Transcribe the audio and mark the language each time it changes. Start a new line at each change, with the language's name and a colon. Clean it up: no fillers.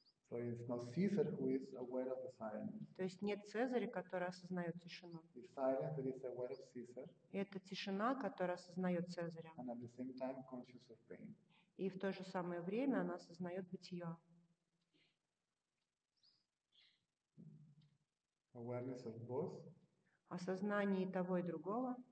English: So it's not Caesar who is aware of the silence.
Russian: То есть нет Цезаря, который осознает тишину.
English: The silence that is aware of Caesar.
Russian: И это тишина, которая осознает Цезаря.
English: And at the same time conscious of pain.
Russian: И в то же самое время она осознает бытие.
English: Awareness of both.
Russian: Осознание того и другого.